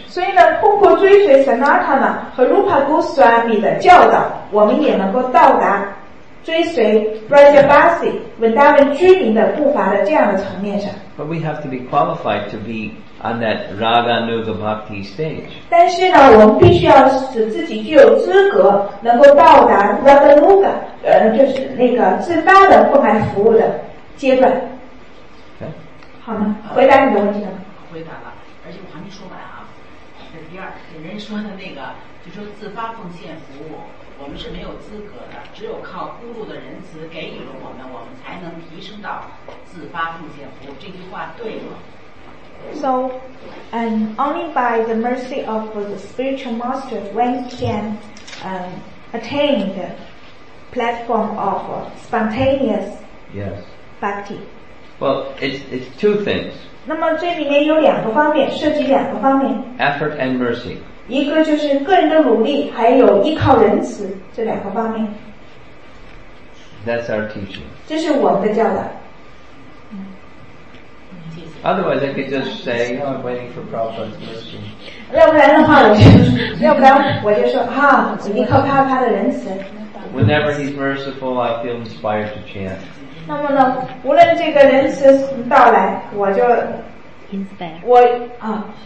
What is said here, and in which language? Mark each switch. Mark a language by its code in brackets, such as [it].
[zh] 所以呢，通过追随 Sanatan 和 Rupa Goswami 的教导，我们也能够到达追随 Braja Basi 文达文居民的步伐的这样的层面上。 [en] But we have to be qualified to be on that Raga Nuga Bhakti stage. [zh] 但是呢，我们必须要使自己具有资格，能够到达 Raga Nuga， 就是那个自发的奉献服务的阶段。 [en] Okay. [zh] 好呢，回答你的问题了。回答了，而且我还没说完啊。这是第二，给人说的那个，就说自发奉献服务，我们是没有资格的，只有靠咕噜的仁慈给予了我们，我们才能提升到自发奉献服务。这句话对吗？ [en] So, and only by the mercy of the spiritual master, one can attain the platform of spontaneous bhakti. Yes. Well, it's two things. [zh] 那么这里面有两个方面，涉及两个方面。 [en] Effort and mercy. [zh] 一个就是个人的努力，还有依靠仁慈这两个方面。 [en] That's our teaching. [zh] 这是我们的教导。 [en] Otherwise, I could just say, you know, I'm waiting for Prabhupada's mercy. [zh] 要不然的话，我就说啊，依靠他他的仁慈。 [en] Whenever he's merciful, I feel inspired to chant. [zh] 那么呢，无论这个仁慈到来，我就 [en] inspire [zh] 我啊，